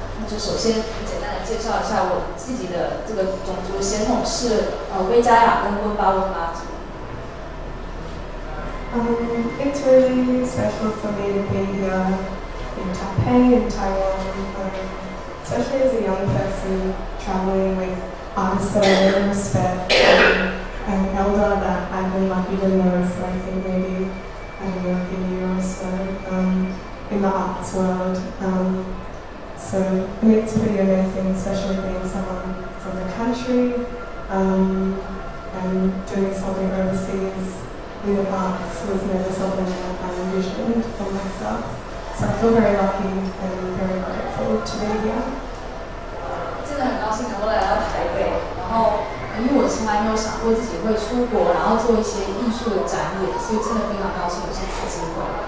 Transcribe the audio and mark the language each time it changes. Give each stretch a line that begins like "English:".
Chinese: 那就首先简单的介绍一下我自己的这个种族血统是威加雅跟温巴温巴族。
English: It's really special for me to be here in Taipei, in Taiwan, especially as a young person traveling with artists that I really respect and an elder that I've been lucky to know for I think maybe a year or so in the arts world. So it's pretty amazing, especially being someone from the country and doing something overseas. In the past was never something that I envisioned for myself. So I feel very lucky and very grateful to be here.
Chinese: 真的很高兴能够来到台北，然后因为我从来没有想过自己会出国，然后做一些艺术的展演，所以真的非常高兴有这次机会。